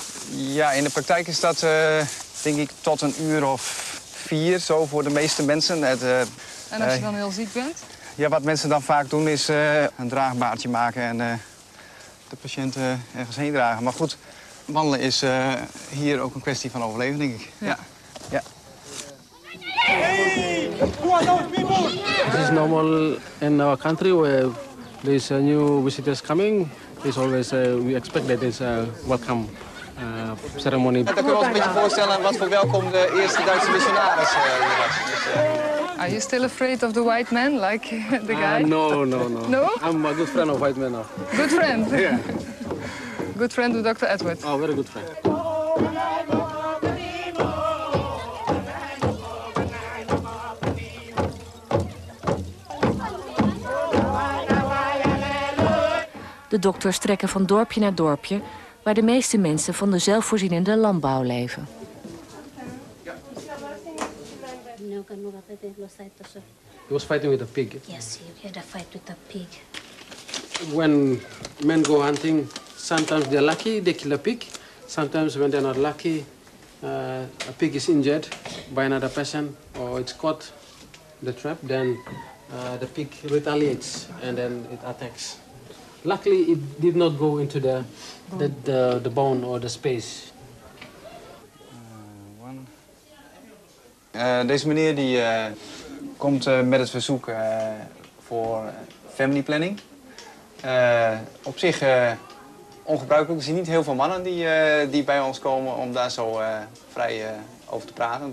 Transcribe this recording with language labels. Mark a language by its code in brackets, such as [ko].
[nl] Ja, in de praktijk is dat denk ik tot een uur of vier, zo voor de meeste mensen. En als je dan heel ziek bent? Ja, wat mensen dan vaak doen is een draagbaartje maken en de patiënt ergens heen dragen. Maar goed, wandelen is hier ook een kwestie van overleven, denk ik. Ja. Ja. [en] Hey, this is normal in our country where there's new visitors coming. It's always we expect that there's a welcome ceremony. [nl] Dan kunnen we ons een beetje voorstellen wat voor welkom de eerste Duitse missionaris was. [en] Are you still afraid of the white man, like the guy? No. No? I'm a good friend of white man now. Good friend? Yeah. Good friend with Dr. Edward. Oh, very good friend. [nl] De dokters trekken van dorpje naar dorpje, waar de meeste mensen van de zelfvoorzienende landbouw leven. [en] Ja. He was fighting with a pig. Yes, he had a fight with a pig. When men go hunting, sometimes they're lucky, they kill a pig. Sometimes when they're not lucky, a pig is injured by another person or it's caught in the trap, then the pig retaliates and then it attacks. Luckily, it did not go into the bone or the space. [nl] Deze meneer die komt met het verzoek voor family planning. Op zich ongebruikelijk. Er zijn niet heel veel mannen die bij ons komen om daar zo vrij over te praten.